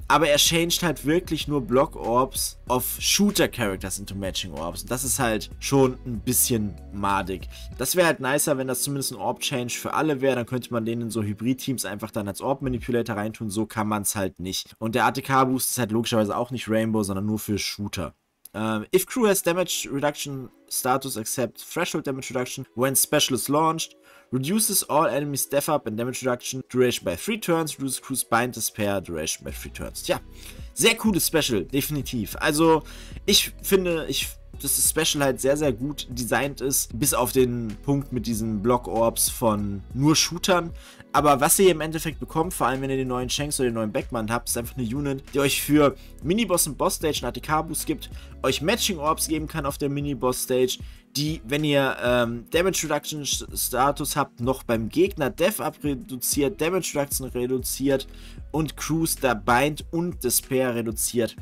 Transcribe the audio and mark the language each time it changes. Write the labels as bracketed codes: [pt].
[de] Aber er changed halt wirklich nur Block-Orbs auf Shooter-Characters into Matching-Orbs. Das ist halt schon ein bisschen madig. Das wäre halt nicer, wenn das zumindest ein Orb-Change für alle wäre. Dann könnte man denen in so Hybrid-Teams einfach dann als Orb-Manipulator reintun. So kann man es halt nicht. Und der ATK-Boost ist halt logischerweise auch nicht Rainbow, sondern nur für Shooter. [en] If crew has damage reduction status except threshold damage reduction when special is launched, reduces all enemies' death up and damage reduction duration by 3 turns, reduces crew's bind despair duration by 3 turns. [de] Tja, sehr cooles Special, definitiv. Also, ich finde, dass das Special halt sehr, sehr gut designt ist, bis auf den Punkt mit diesen Block-Orbs von nur Shootern. Aber was ihr im Endeffekt bekommt, vor allem wenn ihr den neuen Shanks oder den neuen Beckmann habt, ist einfach eine Unit, die euch für Miniboss und Boss-Stage einen ATK-Boost gibt, euch Matching-Orbs geben kann auf der Miniboss-Stage, die, wenn ihr Damage-Reduction-Status habt, noch beim Gegner Death-Up reduziert, Damage-Reduction reduziert und Crews da Bind und Despair reduziert.